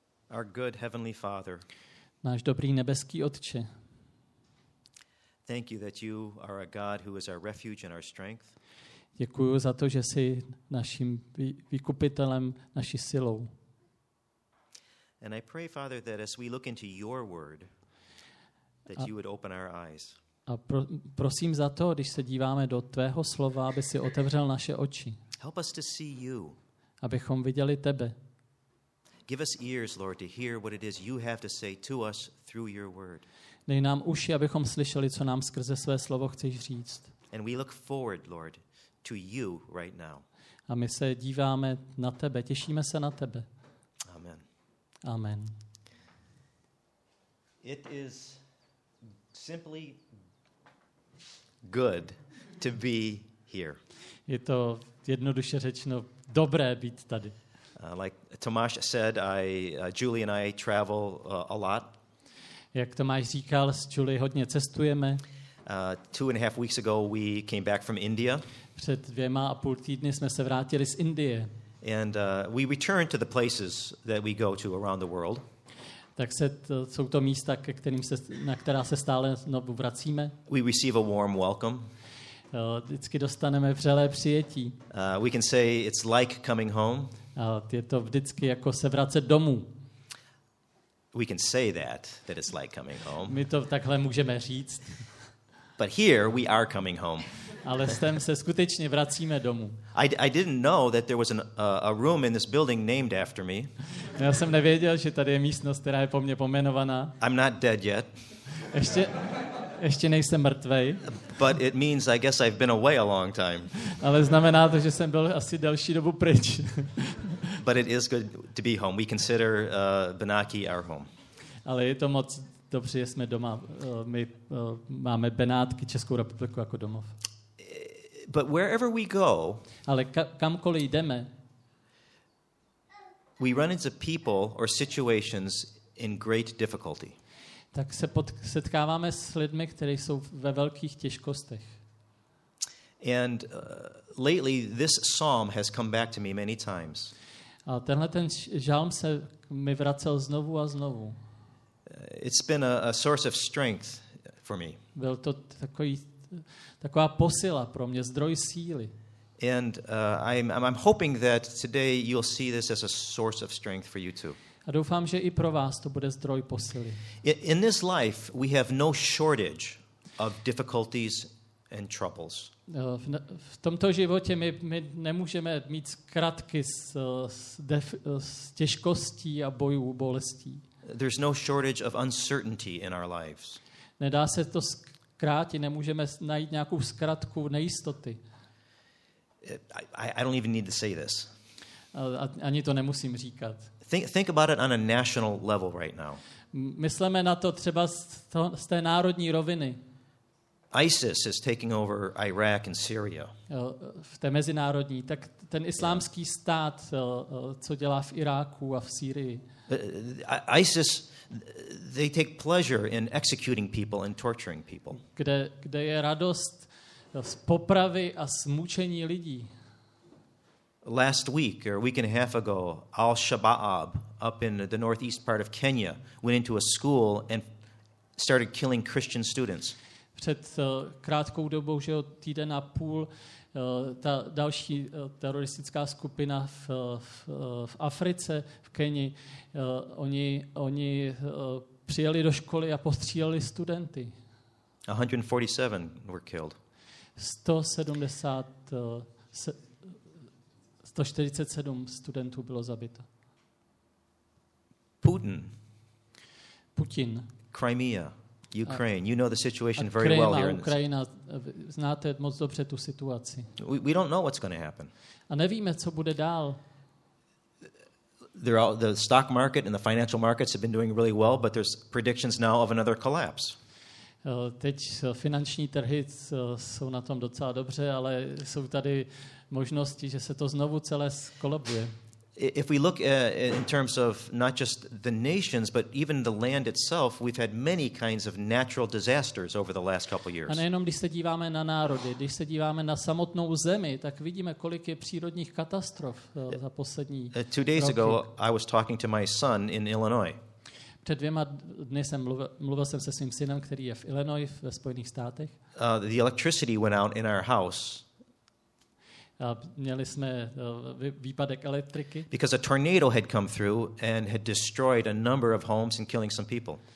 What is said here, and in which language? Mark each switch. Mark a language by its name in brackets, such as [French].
[English] Our good heavenly Father. [Czech] Náš dobrý nebeský Otče. [English] Thank you that you are a God who is our refuge and our strength. [Czech] Děkuju za to, že jsi naším vykupitelem, naší silou. [English] And I pray, Father, that as we look into your word that you would open our eyes. [Czech] A prosím za to, když se díváme do tvého slova, aby si otevřel naše oči. [English] Help us to see you. [Czech] Abychom viděli tebe. [English] Give us ears, Lord, to hear what it is you have to say to us through your word. [Czech] Dej nám uši, abychom slyšeli, co nám skrze své slovo chceš říct. [English] And we look forward, Lord, to you right now. [Czech] A my se díváme na tebe, těšíme se na tebe. [English] Amen. [Czech] Amen. [English] It is simply good to be here. [Czech] Je to jednoduše řečeno dobré být tady. [English] Like Tomáš said, Julie and I travel a lot. [Czech] Jak Tomáš říkal, s Julie hodně cestujeme. [English] 2.5 weeks ago we came back from India. [Czech] Před 2.5 týdny jsme se vrátili z Indie. [English] And we return to the places that we go to around the world. [Czech] Tak se jsou to místa, ke kterým se, na která se stále znovu vracíme. [English] We receive a warm welcome. [Czech] Vždycky dostaneme vřelé přijetí. [English] We can say it's like coming home. [Czech] Je to vždycky jako se vracet domů. [English] We can say that it's like coming home. [Czech] My to takhle můžeme říct. [English] But here we are coming home. [Czech] Ale sem se skutečně vracíme domů. [English] I didn't know that there was a room in this building named after me. [Czech] Já jsem nevěděl, že tady je místnost, která je po mně pomenovaná. [English] I'm not dead yet. [Czech] Ještě nejsem mrtvej. [English] But it means I guess I've been away a long time. [Czech] Ale znamená to, že jsem byl asi delší dobu pryč. [English] But it is good to be home. We consider Benátky our home. [Czech] Ale je to moc dobře, že jsme doma. My máme Benátky, Českou republiku jako domov. [English] But wherever we go, [Czech] ale kamkoliv jdeme, [English] we run into people or situations in great difficulty. [Czech] Tak se setkáváme s lidmi, kteří jsou ve velkých těžkostech. [English] And lately this psalm has come back to me many times. [Czech] A tenhle ten žalm se mi vracel znovu a znovu. [English] It's been a source of strength for me. [Czech] Byl to taková posila pro mě, zdroj síly. [English] And I'm hoping that today you'll see this as a source of strength for you too. [Czech] A doufám, že i pro vás to bude zdroj posily. [English] In this life we have no shortage of difficulties and troubles. [Czech] V tomto životě my nemůžeme mít zkratky s těžkostí a bojů, bolestí. [English] There's no shortage of uncertainty in our lives. [Czech] Nedá se to zkrátit, nemůžeme najít nějakou zkratku nejistoty. [English] I don't even need to say this. [Czech] Ani to nemusím říkat. [English] Think about it on a national level right now. [Czech] Myslíme na to třeba z té národní roviny. [English] ISIS is taking over Iraq and Syria. [Czech] V té mezinárodní, tak ten islámský stát, co dělá v Iráku a v Sýrii. [English] ISIS, they take pleasure in executing people and torturing people. [Czech] Kde je radost z popravy a smučení lidí. [English] Last week or a week and a half ago, Al-Shabaab up in the northeast part of Kenya went into a school and started killing Christian students. [Czech] Před krátkou dobou, že týden a půl, ta další teroristická skupina v Africe, v Keni, oni přijeli do školy a postříleli studenty. [English] 147 were killed. [Czech] 147 studentů bylo zabito. [English] Putin. Crimea. Ukraine, you know the situation very well here. [Czech] Ukrajina, znáte moc dobře tu situaci. [English] We don't know what's going to happen. [Czech] A nevíme, co bude dál. [English] The stock market and the financial markets have been doing really well, but there's predictions now of another collapse. [Czech] Teď finanční trhy jsou na tom docela dobře, ale jsou tady možnosti, že se to znovu celé skolabuje. [English] If we look in terms of not just the nations, but even the land itself, we've had many kinds of natural disasters over the last couple years. [Czech] A nejenom, když se díváme na národy, když se díváme na samotnou zemi, tak vidíme, kolik je přírodních katastrof za poslední roky. [English] Two days ago, I was talking to my son in Illinois. [Czech] Před dvěma dny jsem mluvil jsem se svým synem, který je v Illinois, ve Spojených státech. [English] The electricity went out in our house. [Czech] A měli jsme výpadek elektriky. [English] Because a tornado had come through and had destroyed a number of homes and killing some people.